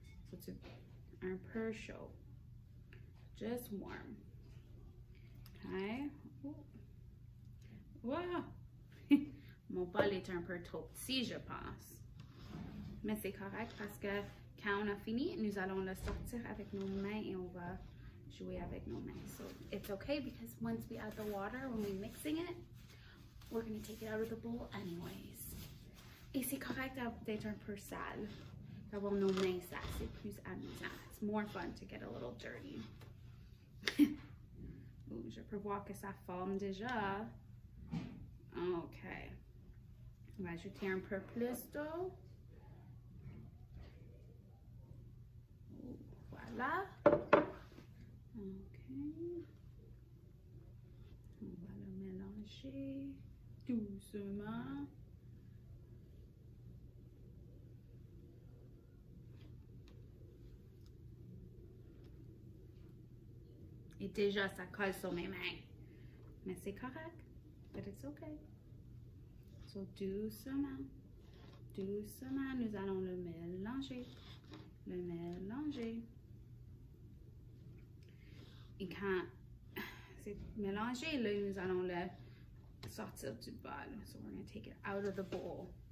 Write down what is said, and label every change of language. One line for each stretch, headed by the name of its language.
English: So, it's
French: un peu chaud.
English: Just warm. Okay. Wow!
French: Mon bol est un peu trop petit, je pense. Mais c'est correct parce que quand on a fini, nous allons le sortir avec nos mains et on va jouer avec nos mains.
English: So, it's okay because once we add the water, when we're mixing it, we're going to take it out of the bowl anyways.
French: Et c'est correct d'être un peu sale, d'avoir nos mains sales. C'est plus amusant.
English: It's more fun to get a little dirty.
French: Ooh, je peux voir que ça forme déjà. Okay. On va ajouter un peu plus d'eau. Voilà. OK. On va le mélanger doucement. Et déjà, ça colle sur mes mains. Mais c'est correct.
English: But it's OK.
French: So, doucement. Doucement, nous allons le mélanger. Le mélanger. Et quand c'est mélangé, là, nous allons le sortir du bol.
English: So we're going to take it out of the bowl.